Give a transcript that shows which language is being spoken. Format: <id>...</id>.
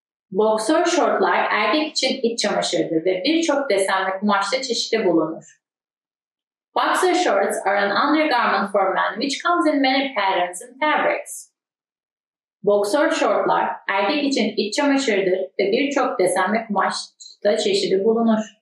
<tr>Boxer shortlar erkek için iç çamaşırdır ve birçok desenli kumaşta çeşidi bulunur.</tr> <en>Boxer shorts are an undergarment for men which comes in many patterns and fabrics.</en> <tr>Boxer shortlar erkek için iç çamaşırdır ve birçok desenli kumaşta çeşidi bulunur.</tr>